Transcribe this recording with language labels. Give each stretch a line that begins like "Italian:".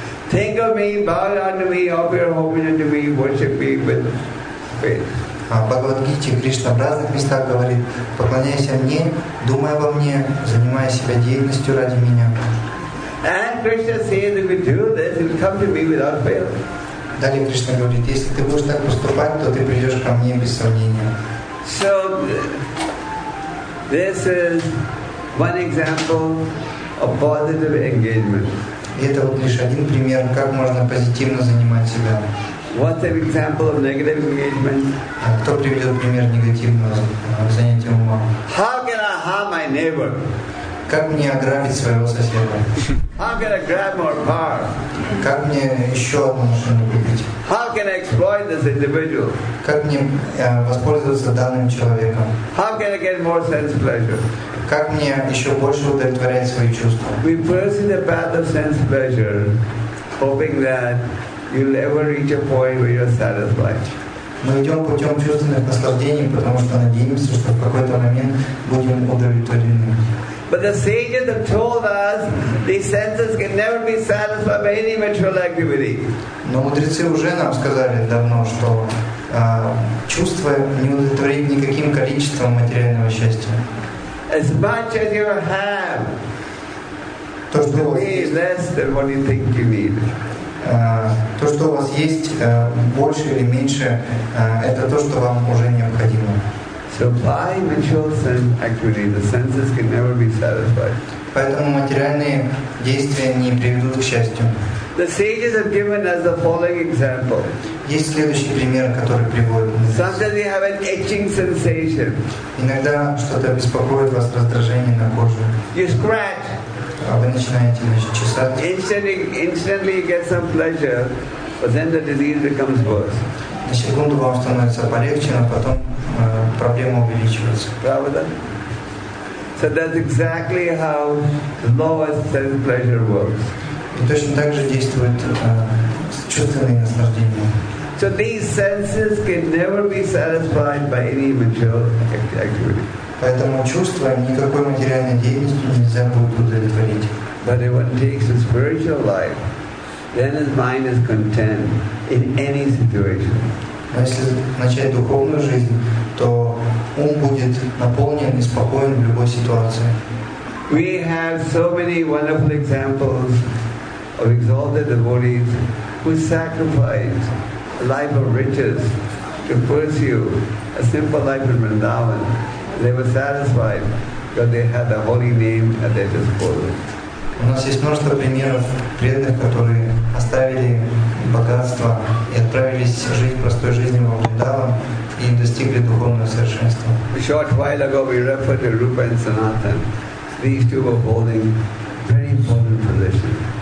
English: Think of me, bow down to me, offer your homage to me, worship me with faith.
Russian: А Бхагавад-гите Кришна в разных местах говорит, поклоняйся мне, думай обо мне, занимай себя деятельностью ради меня.
English: And Krishna says, if you do this, you'll come to me without fail.
Russian: Далее Кришна говорит, если ты будешь так поступать, то ты придешь ко мне без сомнения.
English: So this is one example of positive engagement.
Russian: Это вот лишь один пример, как можно позитивно занимать себя.
English: What's an example of negative engagement?
Russian: А кто приведет пример негативного занятия ума?
English: How can I harm my neighbor?
Russian: Как мне ограбить своего соседа?
English: How can I grab more power?
Russian: Как мне еще одну машину купить?
English: How can I exploit this individual?
Russian: Как мне воспользоваться данным человеком?
English: How can I get more sense pleasure?
Russian: Как мне еще больше удовлетворять свои чувства?
English: We pursue the path of sense pleasure, hoping that you'll ever reach a point where you're satisfied.
Russian: Мы идем путем чувственных наслаждений, потому что надеемся, что в какой-то момент будем удовлетворены.
English: But the sages have told us the senses can never be satisfied by any material activity.
Russian: Но мудрецы уже нам сказали давно, что чувства не удовлетворят никаким количеством материального счастья.
English: As much as you have,
Russian: то, что
English: you
Russian: есть,
English: need less than what you think you need.
Russian: То, что у вас есть, больше или меньше, это то, что вам уже необходимо.
English: So by mutual sense activity, the senses can never be satisfied.
Russian: Поэтому материальные действия не приведут к счастью.
English: The sages have given us the following example.
Russian: Есть следующий пример, который приводит.
English: Sometimes we have an itching sensation.
Russian: Иногда что-то беспокоит вас, раздражение на коже.
English: You scratch.
Russian: А вы начинаете чесать.
English: Instantly you get some pleasure, but then the disease becomes worse.
Russian: На секунду вам становится полегче, но потом проблема увеличивается. Правда?
English: So that's exactly how the lowest sense pleasure works.
Russian: И точно так же действуют чувственные наслаждения.
English: So these senses can never be satisfied by any material activity.
Russian: Поэтому чувства никакой материальной деятельности нельзя будет удовлетворить.
English: But if one takes a spiritual life, then his mind is content in any situation.
Russian: Если начать духовную жизнь, то ум будет наполнен и спокоен в любой ситуации.
English: We have so many wonderful examples of exalted devotees who sacrificed a life of riches to pursue a simple life in Vrindavan. They were satisfied because they had the holy name at their disposal.
Russian: У нас есть множество примеров преданных, которые оставили богатство и отправились жить простой жизнью во Вриндаван и достигли духовного совершенства.
English: A short while ago we referred to Rupa and Sanatan. These two were holding very important positions.